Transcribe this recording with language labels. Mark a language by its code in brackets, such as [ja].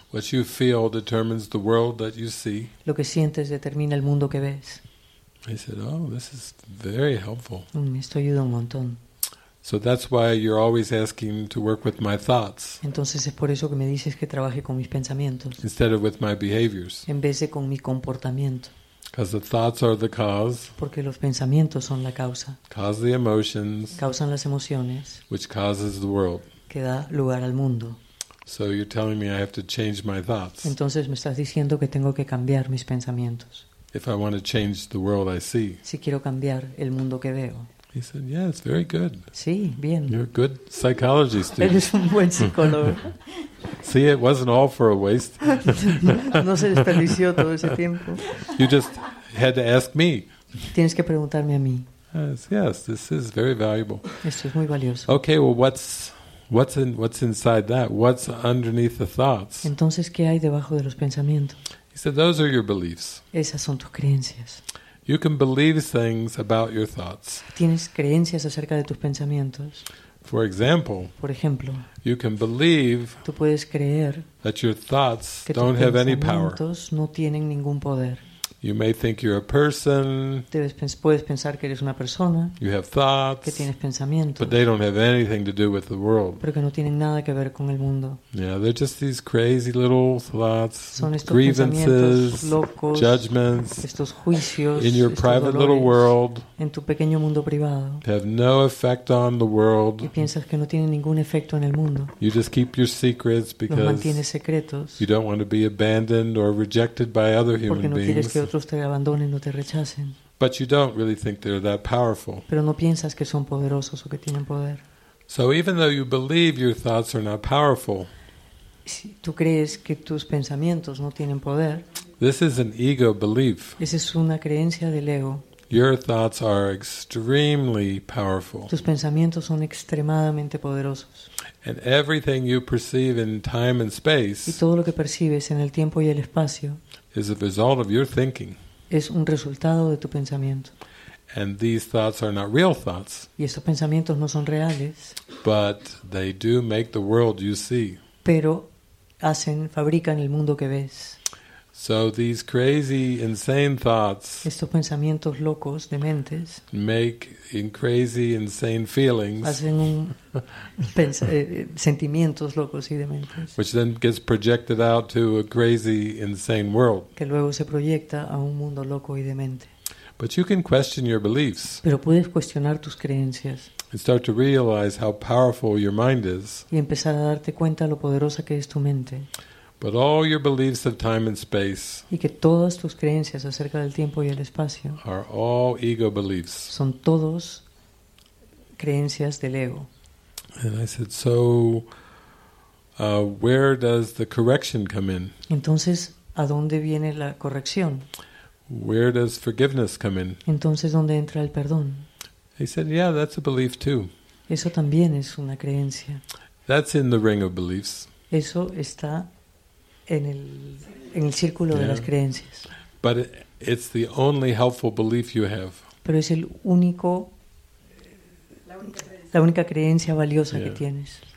[en] What you feel determines the world that you see. [es] Lo que sientes determina el mundo que ves. [en] I said, "Oh, this is very helpful." [es] Esto ayuda un montón. [en] So that's why you're always asking to work with my thoughts. [es] Entonces es por eso que me dices que trabaje con mis pensamientos. [en] Instead of with my behaviors. [es] En vez de con mi comportamiento. [en] Because the thoughts are the cause. [es] Porque los pensamientos son la causa. [en] Cause the emotions. [es] Causan las emociones. [en] Which causes the world. [es] Que da lugar al mundo. [en] So you're telling me I have to change my thoughts. [es] Entonces me estás diciendo que tengo que cambiar mis pensamientos. [en] If I want to change the world I see. [es] Si quiero cambiar el mundo que veo. [en] He said, "Yeah, it's very good." [es] Sí, bien. [en] You're a good psychology student. [es] Eres un buen psicólogo. [en] See, it wasn't all for a waste. [es] No se desperdició todo ese tiempo. [en] You just had to ask me. [es] Tienes que preguntarme a mí. [en] Yes, this is very valuable. [es] Esto es muy valioso. [en] Okay, well, what's inside that? What's underneath the thoughts? [es] Entonces, ¿qué hay debajo de los pensamientos? [en] He said, "Those are your beliefs." [es] Esas son tus creencias. [en] You can believe things about your thoughts. [es] Tienes creencias acerca de tus pensamientos. [en] For example, [es] por ejemplo, [en] you can believe [es] tú puedes creer [en] that your thoughts [es] que [en] don't [es] tus [en] have any power. [es] No tienen ningún poder. [en] You may think you're a person. [es] Puedes pensar que eres una persona. [en] You have thoughts. [es] Que tienes pensamientos. [en] But they don't have anything to do with the world. [es] Pero que no tienen nada que ver con el mundo. [en] Yeah, they're just these crazy little thoughts, [es] son estos [en] grievances, [es] locos, [en] judgments, [es] estos juicios, [en] in your [es] estos [en] private [es] dolores, [en] little world. [es] En tu pequeño mundo privado. [en] They have no effect on the world. [es] Y piensas que no tienen ningún efecto en el mundo. [en] You just keep your secrets because [es] los mantienes secretos. [en] You don't want to be abandoned or rejected by other human [es] porque no [en] beings. [es] Quieres que otros te abandonen o te rechacen. [en] But you don't really think they're that powerful. [es] Pero no piensas que son poderosos o que tienen poder. [en] So even though you believe your thoughts are not powerful, [es] si tú crees que tus pensamientos no tienen poder, [en] this is an ego belief. [es] Esa es una creencia del ego. [en] Your thoughts are extremely powerful. [es] Tus pensamientos son extremadamente poderosos. [en] And everything you perceive in time and space, [es] y todo lo que percibes en el tiempo y el espacio, [en] is a result of your thinking. [es] Es un resultado de tu pensamiento. [en] And these thoughts are not real thoughts. [es] Y estos pensamientos no son reales. [en] But they do make the world you see. [es] Pero hacen, fabrican el mundo que ves. [en] So these crazy, insane thoughts, [es] estos pensamientos locos, dementes, [en] make in crazy, insane feelings, [es] hacen un sentimientos locos y dementes, [en] which then gets projected out to a crazy, insane world, [es] que luego se proyecta a un mundo loco y demente. [en] But you can question your beliefs, [es] pero puedes cuestionar tus creencias, [en] and start to realize how powerful your mind is, [es] y empezar a darte cuenta lo poderosa que es tu mente. [en] But all your beliefs of time and space, [es] y que todas tus creencias acerca del tiempo y el espacio, [en] are all ego beliefs. [es] Son todos creencias del ego. [en] And I said, so where does the correction come in? [es] Entonces, ¿a dónde viene la corrección? [en] Where does forgiveness come in? [es] Entonces, ¿dónde entra el perdón? [en] He said, yeah, that's a belief too. [es] Eso también es una creencia. [en] That's in the ring of beliefs. [es] Eso está en el círculo, yeah, de las creencias. [en] But it's the only helpful belief you have. [es] Pero es el único, la única creencia valiosa, yeah, que tienes.